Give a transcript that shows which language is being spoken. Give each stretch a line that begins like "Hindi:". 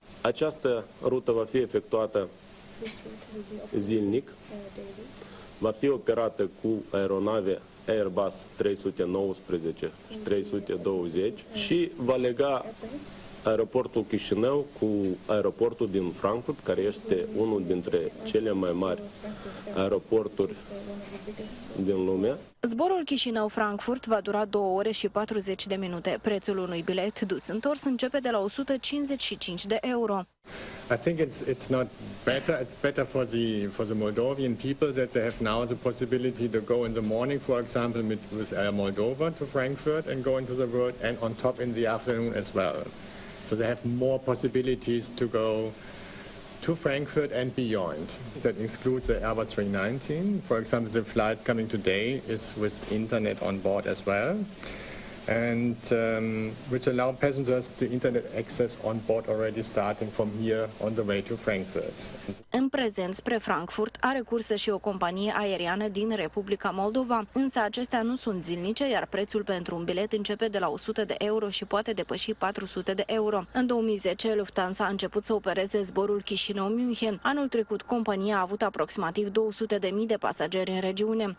Romanian: Această rută va fi efectuată zilnic, va fi operată cu aeronave Airbus 319 și 320 și va lega aeroportul Chișinău cu aeroportul din Frankfurt, care este unul dintre cele mai mari aeroporturi din lume. Zborul Chișinău-Frankfurt va dura 2 ore și 40 de minute. Prețul unui bilet dus întors începe de la 155 de euro.
English: I think it's not better. It's better for the Moldovan people that they have now the possibility to go in the morning, for example, with Air Moldova to Frankfurt and go into the world and on top in the afternoon as well. So they have more possibilities to go to Frankfurt and beyond. That includes the Airbus 319. For example, the flight coming today is with internet on board as well. and which allow passengers to internet access on board already starting from here on the way to Frankfurt.
Romanian: În prezent, spre Frankfurt are cursă și o companie aeriană din Republica Moldova, însă acestea nu sunt zilnice, iar prețul pentru un bilet începe de la 100 de euro și poate depăși 400 de euro. În 2010, Lufthansa a început să opereze zborul Chișinău-München. Anul trecut, compania a avut aproximativ 200.000 de pasageri în regiune.